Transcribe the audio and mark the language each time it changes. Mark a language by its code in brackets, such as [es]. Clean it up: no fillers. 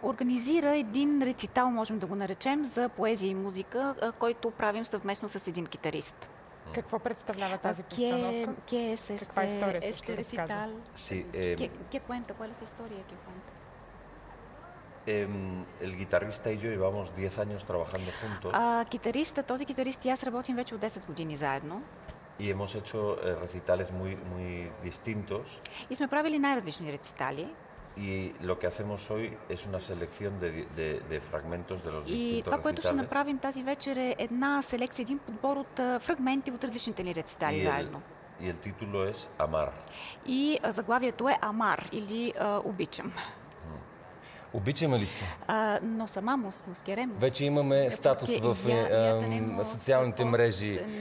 [bg] Организира един рецитал, можем да го наречем, за поезия и музика, който правим съвместно с един китарист. Какво представлява тази постановка? [es] Qué es [bg] Каква е историята? [es] Este recital. Sí, ¿Qué cuenta? ¿Cuál es la historia que cuenta? El guitarrista y yo llevamos 10 años trabajando juntos. [bg] Този китарист и аз работим вече от 10 години заедно. [es] Y hemos hecho recitales muy muy distintos. [bg] И сме правили най-различни рецитали. [es] Y lo que hacemos hoy es una selección de fragmentos de los distintos recitales. [bg] И това, което ще направим тази вечер, е една селекция, един подбор от фрагменти от различните ни рецитали заедно. [es] Y el título es Amar. [bg] И заглавието е Amar, или Обичам. Обичаме ли се? [es] Nos amamos, nos queremos. [bg] Вече имаме статус в социалните мрежи.